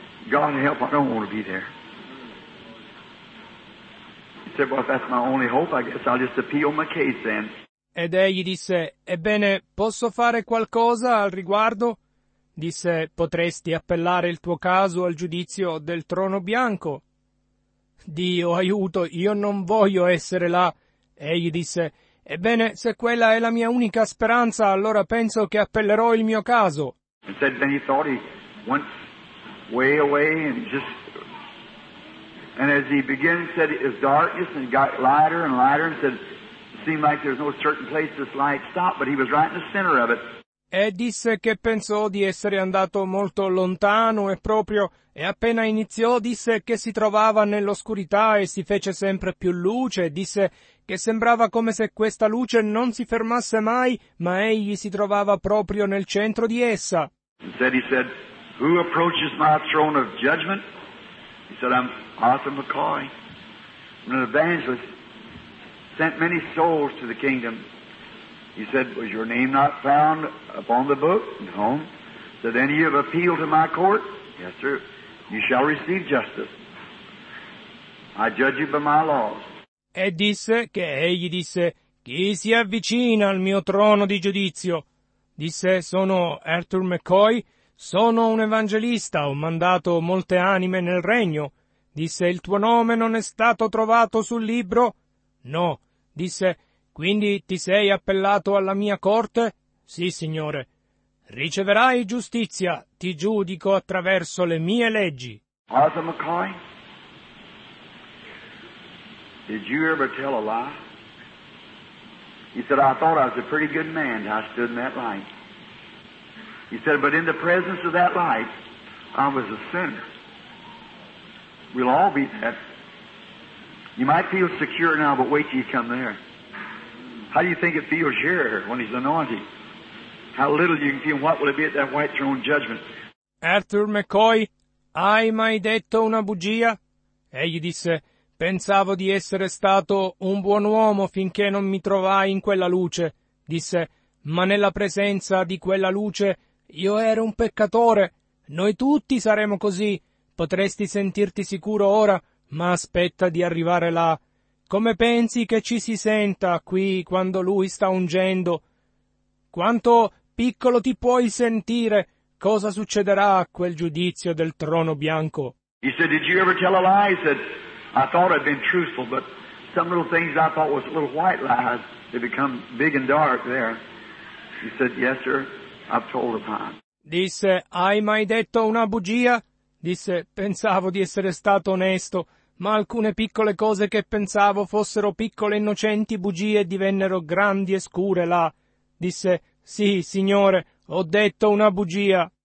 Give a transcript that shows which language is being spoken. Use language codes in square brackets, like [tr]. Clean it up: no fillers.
[en] God help, I don't want to be there. He said, well, if that's my only hope, I guess I'll just appeal my case then. [it] Ed egli disse, ebbene, posso fare qualcosa al riguardo? Disse, potresti appellare il tuo caso al giudizio del trono bianco? Dio aiuto, io non voglio essere là. Egli disse, ebbene, se quella è la mia unica speranza, allora penso che appellerò il mio caso. [en] And said, then he thought he went way away and just... And as he began, said, it was darkness and got lighter and lighter and said, it seemed like there's no certain place this light stopped, but he was right in the center of it. [it] E disse che pensò di essere andato molto lontano e proprio, e appena iniziò disse che si trovava nell'oscurità e si fece sempre più luce, disse che sembrava come se questa luce non si fermasse mai, ma egli si trovava proprio nel centro di essa. [en] He said, who approaches my throne of judgment? He said, I'm Arthur McCoy, an evangelist, sent many souls to the kingdom. He said, was your name not found upon the book? No. Said, then you have appealed to my court? Yes, sir. You shall receive justice. I judge you by my laws. [it] E disse che egli disse, chi si avvicina al mio trono di giudizio? disse, sono Arthur McCoy, sono un evangelista, ho mandato molte anime nel regno. Disse, il tuo nome non è stato trovato sul libro? No, disse, quindi ti sei appellato alla mia corte? Sì, signore. Riceverai giustizia, ti giudico attraverso le mie leggi. [en] Arthur McCoy, did you ever tell a lie? He said, I thought I was a pretty good man when I stood in that light. He said, but in the presence of that light, I was a sinner. We'll all be that. You might feel secure now, but wait till you come there. How do you think it feels here when he's anointed? How little you can feel, what will it be at that white throne judgment? [it] Arthur McCoy, hai mai detto una bugia? Egli disse, pensavo di essere stato un buon uomo finché non mi trovai in quella luce. Disse, ma nella presenza di quella luce io ero un peccatore. Noi tutti saremo così. Potresti sentirti sicuro ora, ma aspetta di arrivare là. Come pensi che ci si senta qui quando lui sta ungendo? Quanto piccolo ti puoi sentire? Cosa succederà a quel giudizio del trono bianco? [en] He said, did you ever tell a lie? He said, I thought I'd been truthful, but some little things I thought was little white lies, they become big and dark there. He said, yes, sir, I've told a lie. [it] Disse, hai mai detto una bugia? Disse, pensavo di essere stato onesto, ma alcune piccole cose che pensavo fossero piccole innocenti bugie divennero grandi e scure là. Disse, sì, signore, ho detto una bugia.